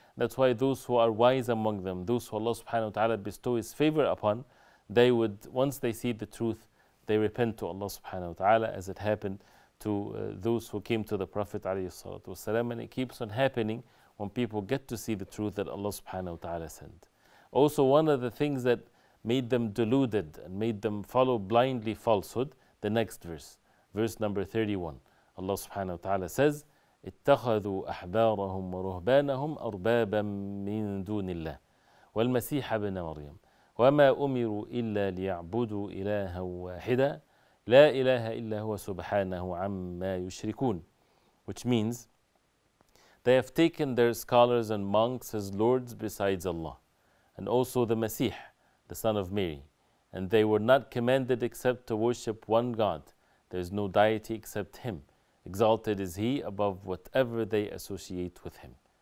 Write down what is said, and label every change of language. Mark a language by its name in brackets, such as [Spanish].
[English] That's why those who are wise among them, those who Allah subhanahu wa ta'ala bestows His favor upon, they would, once they see the truth, they repent to Allah subhanahu wa ta'ala, as it happened to those who came to the Prophet alayhi salatu wasalam. And it keeps on happening when people get to see the truth that Allah subhanahu wa ta'ala sent. Also, one of the things that made them deluded and made them follow blindly falsehood, the next verse, verse number 31. [Arabic] Allah subhanahu wa ta'ala says, اتخذوا أحبارهم ورهبانهم أربابا من دون الله والمسيح ابن مريم وما أمروا إلا ليعبدوا إلها واحدا لا إله إلا هو سبحانه عما يشركون. [English] Which means, they have taken their scholars and monks as lords besides Allah, and also the Masih, the son of Mary, and they were not commanded except to worship one God. There is no deity except Him. Exalted is He above whatever they associate with Him.